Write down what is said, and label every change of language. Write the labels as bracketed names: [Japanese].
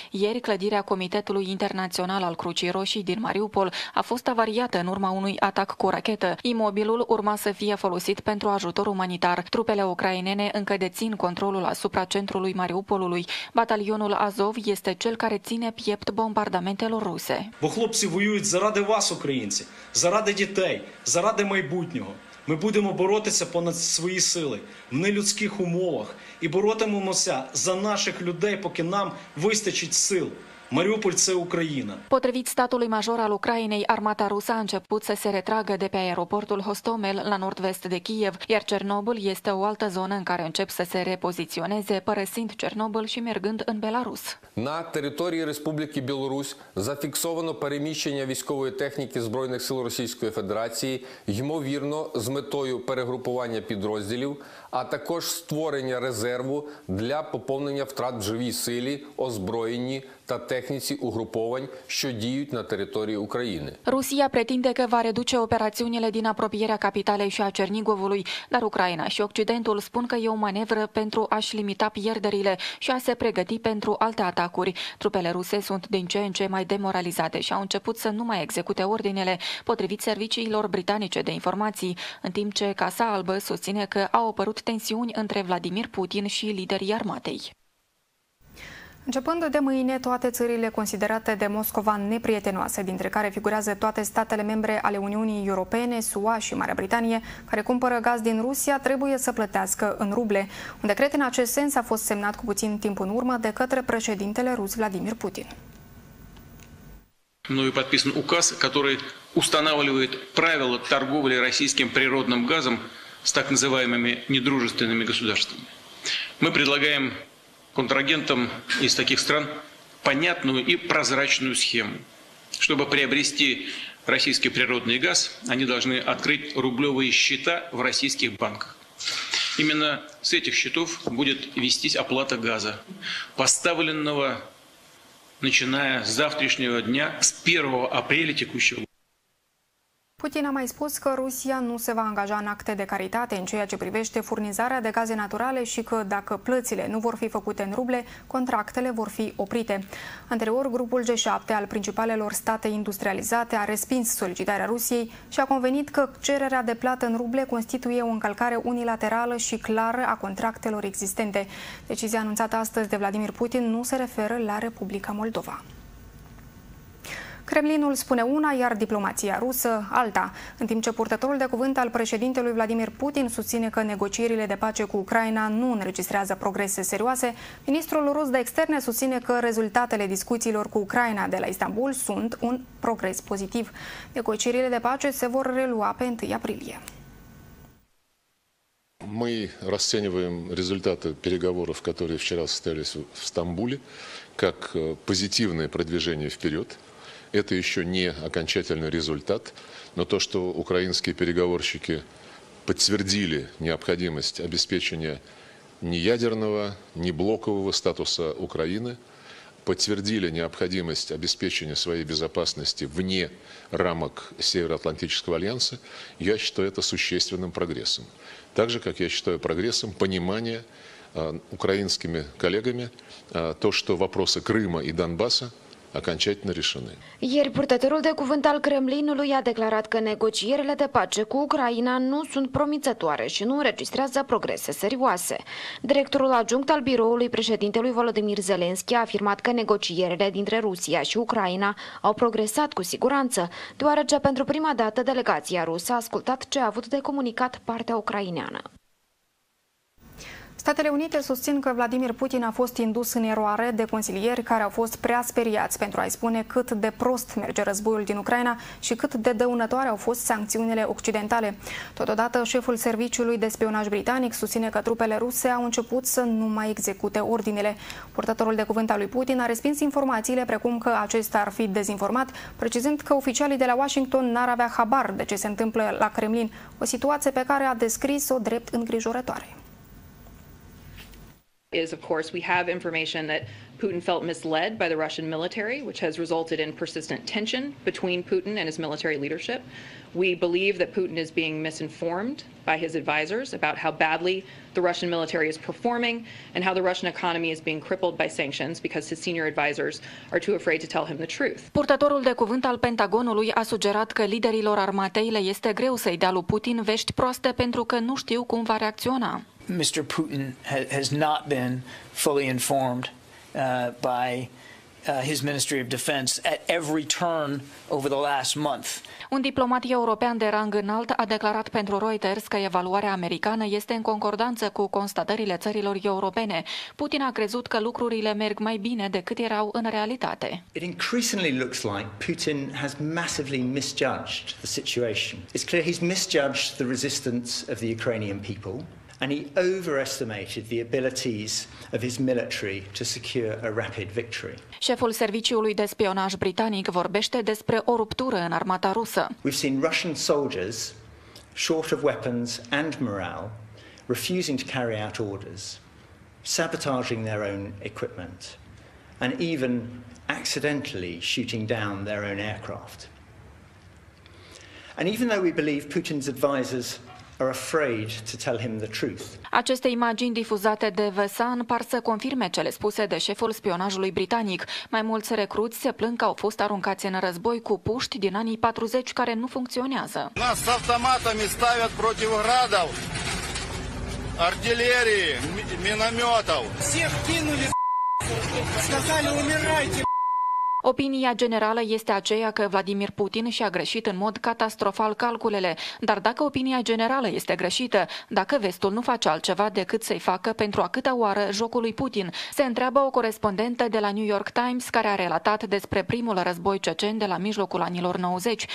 [Romanian] Ieri, clădirea Comitetului Internațional al Crucii Roșii din Mariupol a fost avariată în urma unui atac cu rachetă. Imobilul urma să fie folosit pentru ajutor umanitar. Trupele ucrainene încă dețin controlul asupra centrului Mariupolului. Batalionul Azov este cel care ține piept bombardamentelor ruse. [Ukrainian] Бо хлопці воюють заради вас, українці, заради дітей, заради майбутнього. Ми будемо боротися понад свої сили, в нелюдських умовах, і боротимемося за наших людей, поки нам вистачить сил. [Romanian] Mariupol, ce Ucraina. Potrivit statului major al Ucrainei, armata rusă a început să se retragă de pe aeroportul Hostomel, la nord-vest de Kiev, iar Cernobâl este o altă zonă în care încep să se repoziționeze, părăsind Cernobâl și mergând în Belarus. [Ukrainian] На території Республіки Білорусь зафіксовано переміщення військової техніки Збройних сил Російської Федерації, ймовірно, з метою перегрупування підрозділів, а також створення резерву для поповнення втрат в живій силі, озброєнні та техніці угруповань, що діють на території України. [Romanian] Rusia pretinde că va reduce operațiunile din apropierea capitalei și a Cernigovului, dar Ucraina și Occidentul spun că e o manevră pentru a-și limita pierderile și a se pregăti pentru alte atacuri. Trupele ruse sunt din ce în ce mai demoralizate și au început să nu mai execute ordinele, potrivit serviciilor britanice de informații, în timp ce Casa Albă susține că au apărut tensiuni între Vladimir Putin și liderii armatei. Începând de mâine, toate țările considerate de Moscova neprietenoase, dintre care figurează toate statele membre ale Uniunii Europene, SUA și Marea Britanie, care cumpără gaz din Rusia, trebuie să plătească în ruble. Un decret în acest sens a fost semnat cu puțin timp în urmă de către președintele rus Vladimir Putin. Noi [Russian] подписан указ, который устанавливает правила торговли российским природным газом с так называемыми недружественными государствами. Мы предлагаем контрагентам из таких стран понятную и прозрачную схему. Чтобы приобрести российский природный газ, они должны открыть рублевые счета в российских банках. Именно с этих счетов будет вестись оплата газа, поставленного, начиная с завтрашнего дня, с 1 апреля текущего года. [Romanian] Putin a mai spus că Rusia nu se va angaja în acte de caritate în ceea ce privește furnizarea de gaze naturale și că dacă plățile nu vor fi făcute în ruble, contractele vor fi oprite. Anterior, grupul G7 al principalelor state industrializate a respins solicitarea Rusiei și a convenit că cererea de plată în ruble constituie o încălcare unilaterală și clară a contractelor existente. Decizia anunțată astăzi de Vladimir Putin nu se referă la Republica Moldova. Kremlinul spune una, iar diplomația rusă alta. În timp ce purtătorul de cuvânt al președintelui Vladimir Putin susține că negocierile de pace cu Ucraina nu înregistrează progrese serioase, ministrul rus de externe susține că rezultatele discuțiilor cu Ucraina de la Istanbul sunt un progres pozitiv. Negocierile de pace se vor relua pe 1 aprilie. [Russian] Мы расцениваем результаты переговоров, которые вчера состоялись в Стамбуле, как позитивное продвижение вперед. Это еще не окончательный результат, но то, что украинские переговорщики подтвердили необходимость обеспечения ни ядерного, ни блокового статуса Украины, подтвердили необходимость обеспечения своей безопасности вне рамок Североатлантического альянса, я считаю это существенным прогрессом. Так же, как я считаю прогрессом понимание украинскими коллегами то, что вопросы Крыма и Донбасса окончательно решены. [Romanian] Ieri, purtătorul de cuvânt al Kremlinului a declarat că negocierile de pace cu Ucraina nu sunt promițătoare și nu înregistrează progrese serioase. Directorul adjunct al biroului președintelui Volodymyr Zelensky a afirmat că negocierile dintre Rusia și Ucraina au progresat cu siguranță, deoarece pentru prima dată delegația rusă a ascultat ce a avut de comunicat partea ucraineană. Statele Unite susțin că Vladimir Putin a fost indus în eroare de consilieri care au fost prea speriați pentru a-i spune cât de prost merge războiul din Ucraina și cât de dăunătoare au fost sancțiunile occidentale. Totodată, șeful serviciului de spionaj britanic susține că trupele ruse au început să nu mai execute ordinele. Purtătorul de cuvânt al lui Putin a respins informațiile precum că acesta ar fi dezinformat, precizând că oficialii de la Washington n-ar avea habar de ce se întâmplă la Kremlin, o situație pe care a descris-o drept îngrijorătoare. [English] Is of course we have information that Putin felt misled by the Russian military, which has resulted in persistent tension between Putin and his military leadership. We believe that Putin is being misinformed by his advisors about how badly the Russian military is performing and how the Russian economy is being crippled by sanctions because his senior advisors are too afraid to tell him the truth. [Romanian] Purtătorul de cuvânt al Pentagonului a sugerat că liderilor armatei le este greu să-i dea lui Putin vești proaste pentru că nu știu cum va reacționa. [English] Mr. Putin has not been fully informed by his Ministry of Defense at every turn over the last month. [Romanian] Un diplomat european de rang înalt a declarat pentru Reuters că evaluarea americană este în concordanță cu constatările țărilor europene. Putin a crezut că lucrurile merg mai bine decât erau în realitate. [English] It increasingly looks like Putin has massively misjudged the situation. It's clear he's misjudged the resistance of the Ukrainian people. And he overestimated the abilities of his military to secure a rapid victory. [Romanian] Șeful serviciului de spionaj britanic vorbește despre o ruptură în armata rusă. [English] We've seen Russian soldiers, short of weapons and morale, refusing to carry out orders, sabotaging their own equipment, and even accidentally shooting down their own aircraft. And even though we believe Putin's advisors are afraid to tell him the truth. [Romanian] Aceste imagini difuzate de The Sun par să confirme cele spuse de șeful spionajului britanic. Mai mulți recruți se plâng că au fost aruncați în război cu puști din anii 40 care nu funcționează. [Russian] Нас автоматами ставят против градов, артиллерии, минометов. Всех кинули, сказали умирайте. [Romanian] Opinia generală este aceea că Vladimir Putin și-a greșit în mod catastrofal calculele, dar dacă opinia generală este greșită, dacă vestul nu face altceva decât să-i facă pentru a câta oară jocul lui Putin, se întreabă o corespondentă de la New York Times care a relatat despre primul război cecen de la mijlocul anilor 90.